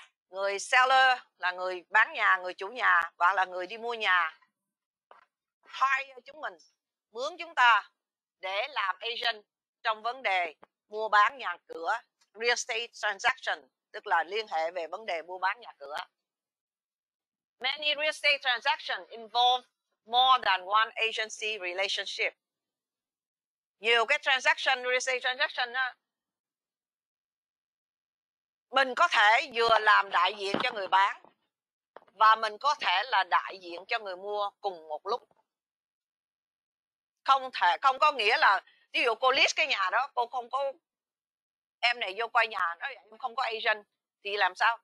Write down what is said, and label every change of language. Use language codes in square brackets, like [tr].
[vi] Người seller là người bán nhà, người chủ nhà, hoặc là người đi mua nhà. Hire chúng mình, mướn chúng ta để làm agent trong vấn đề mua bán nhà cửa, [en] real estate transaction, [vi] tức là liên hệ về vấn đề mua bán nhà cửa. [en] Many real estate transactions involve more than one agency relationship. [vi] Nhiều cái transaction, [en] real estate transaction [vi] đó, mình có thể vừa làm đại diện cho người bán và mình có thể là đại diện cho người mua cùng một lúc. Không thể, không có nghĩa là ví dụ cô list cái nhà đó, cô không có em này vô coi nhà, nói em không có agent thì làm sao?